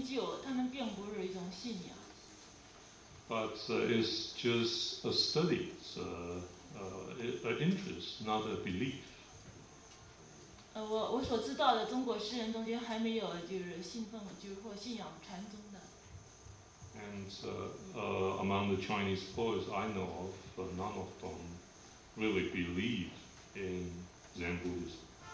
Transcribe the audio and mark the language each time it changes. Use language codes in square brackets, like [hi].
[zh] 那但是他们都是一种研究，他们并不是一种信仰。 [en] But it's just a study, it's an interest, not a belief. [zh] 我所知道的中国诗人中间还没有就是信奉就是或信仰禅宗的。 [en] And among the Chinese poets I know of, none of them really believe in Zen Buddhism.